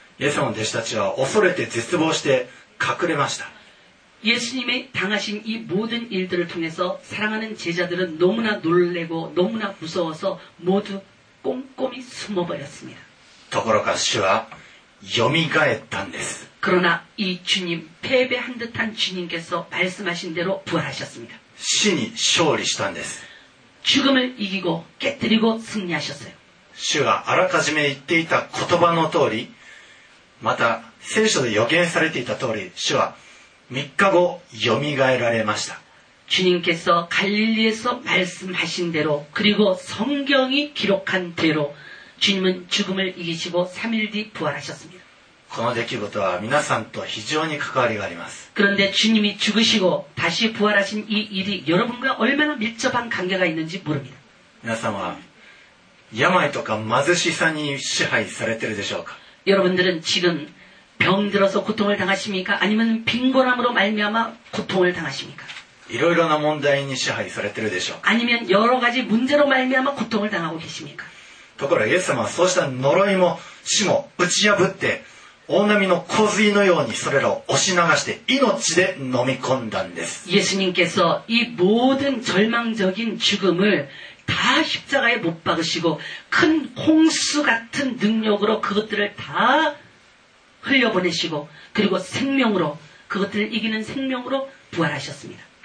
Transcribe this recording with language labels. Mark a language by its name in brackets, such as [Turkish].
[Korean] 예수님의 [Japanese] 弟子たちは恐れて絶望して隠れました [Korean] 예수님이당하신이모든일들을통해서사랑하는제자들은너무나놀래고너무나무서워서모두꼼꼼히숨어버렸습니다 [Japanese] ところが主はよみがえったんです [Korean] 그러나이주님패배한듯한주님께서말씀하신대로부활하셨습니다 [Japanese] 死に勝利したんです [Korean] 죽음을이기고깨뜨리고승리하셨어요 [Japanese] 主があらかじめ言っていた言葉の通りまた聖書で予言されていた通り主は3日後よみがえられました [Korean] 주님께서갈릴리에서말씀하신대로그리고성경이기록한대로주님은죽음을이기시고3일뒤부활하셨습니다 [Japanese] この出来事は皆さんと非常に関わりがあります [Korean] 그런데주님이죽으시고다시부활하신이일이여러분과얼마나밀접한관계가있는지모릅니다 [Japanese] 皆さんは病とか貧しさに支配されてるでしょうか [Korean] 여러분들은지금병들어서고통을당하십니까아니면빈곤함으로말미암아고통을당하십니까 [Japanese] いろいろな問題に支配されてるでしょうか [Korean] 아니면여러가지문제로말미암아고통을당하고계십니까 [Japanese] ところがイエス様はそうした呪いも死も打ち破って大波の洪水のようにそれらを押し流して命で飲み込んだんです [Korean] 예수님께서이모든절망적인죽음을다십자가에못박으시고큰홍수같은능력으로그것들을다흘려보내시고그리고생명으로그것들을이기는생명으로부활하셨습니다